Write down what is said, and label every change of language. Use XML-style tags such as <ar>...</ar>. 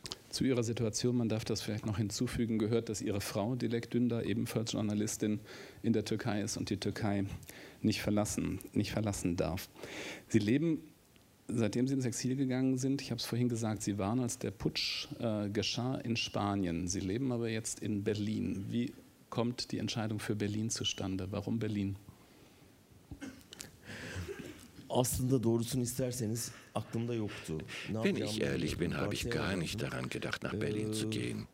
<de>Zu Ihrer Situation, man darf das vielleicht noch hinzufügen, gehört, dass Ihre Frau Dilek Dündar ebenfalls Journalistin in der Türkei ist und die Türkei nicht verlassen darf. Sie leben, seitdem Sie ins Exil gegangen sind, ich habe es vorhin gesagt, Sie waren, als der Putsch geschah, in Spanien. Sie leben aber jetzt in Berlin. Wie kommt die Entscheidung für Berlin zustande? Warum Berlin?</de> <tr>Aslında doğrusunu isterseniz aklımda yoktu.</tr> <de>Wenn ich ehrlich bin, habe ich gar nicht daran gedacht, nach Berlin zu gehen.</de>